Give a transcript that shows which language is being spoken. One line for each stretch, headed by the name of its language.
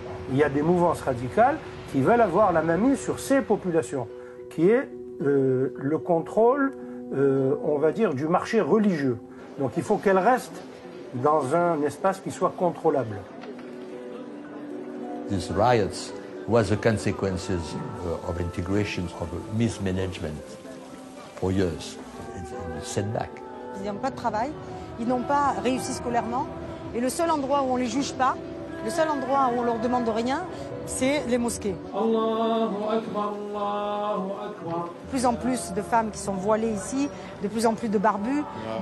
French: Il y a des mouvances radicales qui veulent avoir la mainmise sur ces populations, qui est le contrôle, on va dire, du marché religieux. Donc il faut qu'elle reste dans un espace qui soit contrôlable.
English: These riots were the consequences of integrations of mismanagement for years. It's a setback.
French: Ils n'ont pas de travail, ils n'ont pas réussi scolairement, et le seul endroit où on les juge pas, le seul endroit où on leur demande de rien, c'est les mosquées.
Arabic: Allahu Akbar, Allahu Akbar.
French: De plus en plus de femmes qui sont voilées ici, de plus en plus de barbus, yeah.